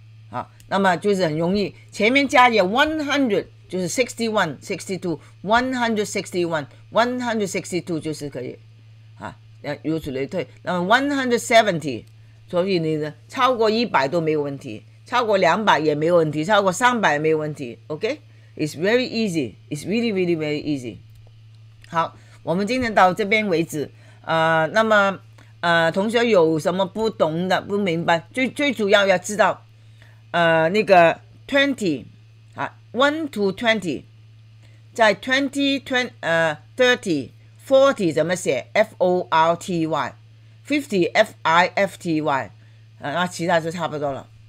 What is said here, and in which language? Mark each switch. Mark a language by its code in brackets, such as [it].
[zh] 好，那么就是很容易，前面加一个100，就是61,62,161,162就是可以，啊，如此类推。那么170，所以你的超过100都没有问题，超过200也没有问题，超过300也没有问题。 [en] OK，it's very easy，it's really really very easy。 [zh] 好，我们今天到这边为止。那么同学有什么不懂的、不明白，最主要要知道，那个 twenty 啊 1 to 20，在 20, 30, 40怎么写 ？40, 50, 50, 那其他就差不多了。